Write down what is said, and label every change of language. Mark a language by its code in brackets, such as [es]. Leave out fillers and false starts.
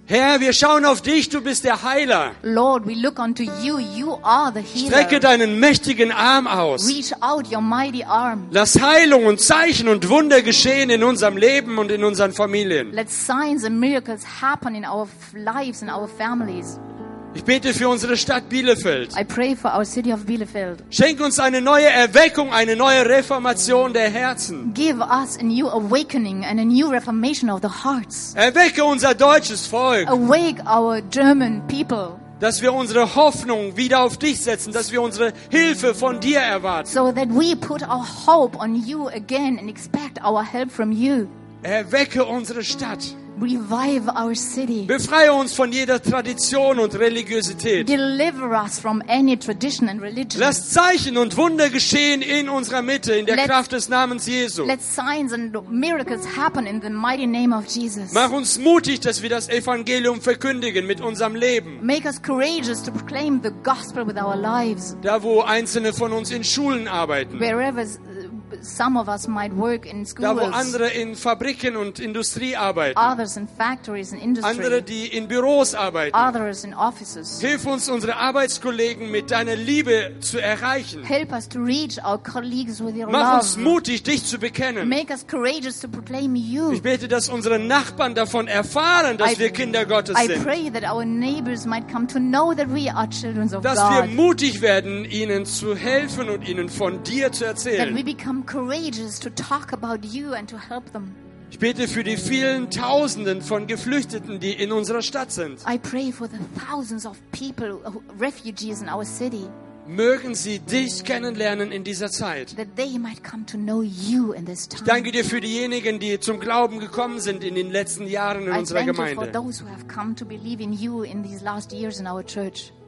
[de] Herr, wir schauen auf dich, du bist der Heiler. [en] Lord, we look unto you, you are the healer. [de] Strecke deinen mächtigen Arm aus. [en] Reach out your mighty arm. [de] Lass Heilung und Zeichen und Wunder geschehen in unserem Leben und in unseren Familien. [en] Let signs and miracles happen in our lives and our families. [de] Ich bete für unsere Stadt Bielefeld. [en] I pray for our city of Bielefeld. [de] Schenk uns eine neue Erweckung, eine neue Reformation der Herzen. [en] Give us a new awakening and a new reformation of the hearts. [de] Erwecke unser deutsches Volk. [en] Awake our German people. [de] Dass wir unsere Hoffnung wieder auf dich setzen, dass wir unsere Hilfe von dir erwarten. [en] So that we put our hope on you again and expect our help from you. [de] Erwecke unsere Stadt. [en] Revive our city. [de] Befreie uns von jeder Tradition und Religiosität. [en] Deliver us from any tradition and religion. [de] Lass Zeichen und Wunder geschehen in unserer Mitte in der Kraft des Namens Jesu. [en] Let signs and miracles happen in the mighty name of Jesus. [de] Mach uns mutig, dass wir das Evangelium verkündigen mit unserem Leben. [en] Make us courageous to proclaim the gospel with our lives. [de] Da wo einzelne von uns in Schulen arbeiten. [en] Wherever some of us might work in schools. [de] Da wo andere in Fabriken und Industrie arbeiten. [en] Others in factories and industry. [de] Andere, die in Büros arbeiten. [en] Others in offices. [de] Hilf uns, unsere Arbeitskollegen mit deiner Liebe zu erreichen. [en] Help us to reach our colleagues with your [de] Mach [en] love. [de] Mach uns mutig, dich zu bekennen. [en] Make us courageous to proclaim you. [de] Ich bete, dass unsere Nachbarn davon erfahren, dass wir Kinder Gottes sind. [en] I pray that our neighbors might come to know that we are children of [de] dass [en] God. [de] Dass wir mutig werden, ihnen zu helfen und ihnen von dir zu erzählen. [en] That we become courageous to talk about you and to help them. [de] Ich bete für die vielen Tausenden von Geflüchteten, die in unserer Stadt sind. [en] I pray for the thousands of people, refugees in our city. [de] Mögen sie dich kennenlernen in dieser Zeit. [en] That they might come to know you in this time. [de] Ich danke dir für diejenigen, die zum Glauben gekommen sind in den letzten Jahren in unserer Gemeinde. [en] I thank you for those who have come to believe in you in these last years in our church.